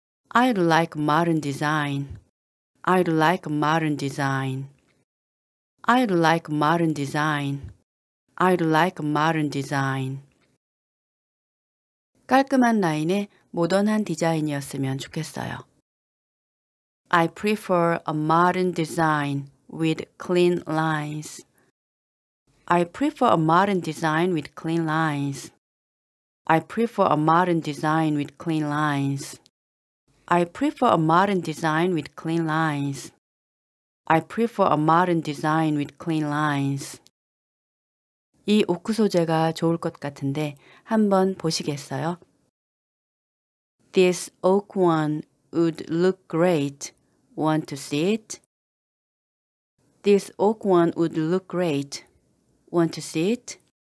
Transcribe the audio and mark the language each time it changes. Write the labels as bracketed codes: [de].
[en] I would like modern design. I would like modern design. I would like modern design. I would like modern design. [ko] 깔끔한 라인에 모던한 디자인이었으면 좋겠어요. [en] I prefer a modern design with clean lines. I prefer a modern design with clean lines. I prefer a modern design with clean lines. I prefer a modern design with clean lines. I prefer a modern design with clean lines. [ko] 이 오크 소재가 좋을 것 같은데 한번 보시겠어요? [en] This oak one would look great. Want to see it? This oak one would look great. Want to see it?